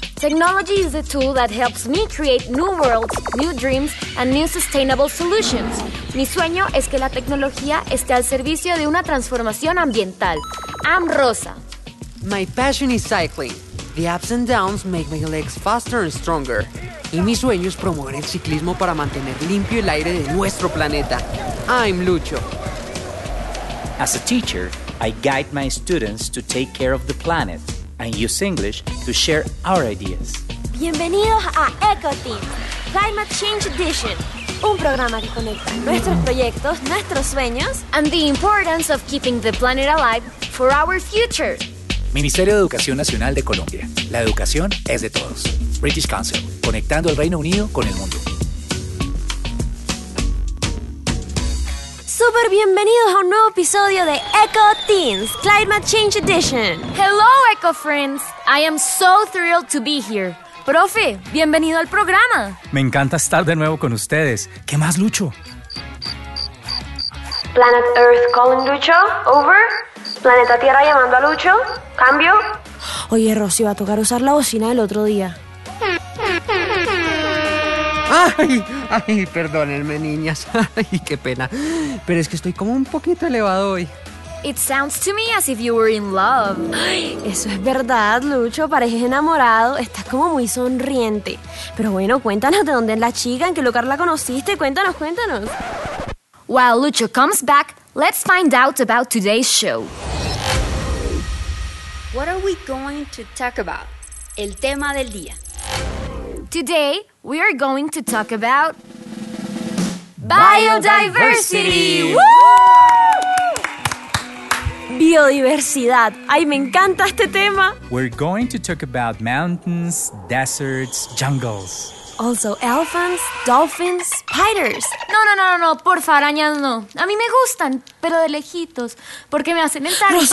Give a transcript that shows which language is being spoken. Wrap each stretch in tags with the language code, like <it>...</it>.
<en>Technology is a tool that helps me create new worlds, new dreams, and new sustainable solutions.</en> <es>Mi sueño es que la tecnología esté al servicio de una transformación ambiental.</es> <en>I'm Rosa. My passion is cycling. The ups and downs make my legs faster and stronger.</en> <es>Y mi sueño es promover el ciclismo para mantener limpio el aire de nuestro planeta.</es> <en>I'm Lucho. As a teacher, I guide my students to take care of the planet and use English to share our ideas.</en> <es>Bienvenidos a EcoTeam, Climate Change Edition. Un programa que conecta nuestros proyectos, nuestros sueños,</es> <en>and the importance of keeping the planet alive for our future.</en> <es>Ministerio de Educación Nacional de Colombia. La educación es de todos. British Council. Conectando el Reino Unido con el mundo. Súper bienvenidos a un nuevo episodio de Eco Teens Climate Change Edition.</es> <en>Hello, Eco Friends. I am so thrilled to be here.</en> <es>Profe, bienvenido al programa. Me encanta estar de nuevo con ustedes. ¿Qué más, Lucho?</es> <en>Planet Earth calling Lucho. Over.</en> <es>Planeta Tierra llamando a Lucho. Cambio. Oye, Rosy, va a tocar usar la bocina del otro día. Ay, perdónenme, niñas. Ay, qué pena. Pero es que estoy como un poquito elevado hoy.</es> <en>It sounds to me as if you were in love.</en> <es>Ay, eso es verdad, Lucho. Pareces enamorado. Estás como muy sonriente. Pero bueno, cuéntanos de dónde es la chica, en qué lugar la conociste. Cuéntanos, cuéntanos.</es> <en>While Lucho comes back, let's find out about today's show. What are we going to talk about?</en> <es>El tema del día.</es> <en>Today, we are going to talk about biodiversity.</en> <es>Biodiversidad. Ay, me encanta este tema.</es> <en>We're going to talk about mountains, deserts, jungles. Also, elephants, dolphins, spiders.</en> <es>No, por favor, arañas no. A mí me gustan, pero de lejitos, porque me hacen entrar.</es>